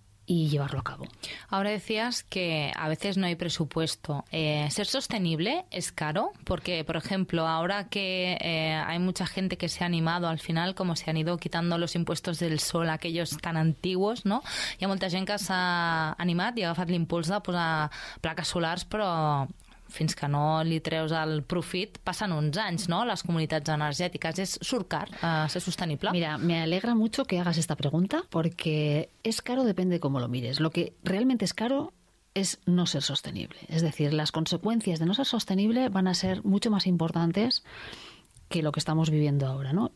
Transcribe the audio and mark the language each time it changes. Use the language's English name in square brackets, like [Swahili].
[Spanish] y llevarlo a cabo. Ahora decías que a veces no hay presupuesto. ¿Ser sostenible es caro? Porque, por ejemplo, ahora que hay mucha gente que se ha animado al final, como se han ido quitando los impuestos del sol, aquellos tan antiguos, ¿no? [Catalan] Hi ha molta gent que s'ha animat i ha agafat l'impuls de posar plaques solars, però fins que no li treus el profit, passen uns anys, no?, les comunitats energètiques. És surcar, ser sostenible. [Spanish] Mira, me alegra mucho que hagas esta pregunta, porque es caro depende de cómo lo mires. Lo que realmente es caro es no ser sostenible. Es decir, las consecuencias de no ser sostenible van a ser mucho más importantes que lo que estamos viviendo ahora, ¿no?